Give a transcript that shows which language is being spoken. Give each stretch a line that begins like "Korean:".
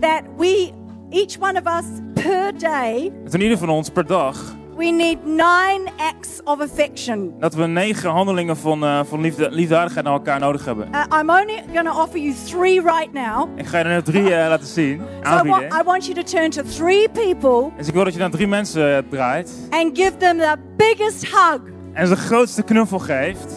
English: That we, each one of us, per day.
Dutch: Dat ieder van ons per dag.
English: We need 9 acts of affection.
Dutch: Dat we 9 handelingen van liefdadigheid naar elkaar nodig hebben.
English: I'm only going to offer you 3 right now.
Dutch: Ik ga je er 3 laten zien.
English: I want you to turn to 3 people.
Dutch: Dus ik wil dat je naar 3 mensen draait.
English: And give them the biggest hug.
Dutch: En ze de grootste knuffel geeft.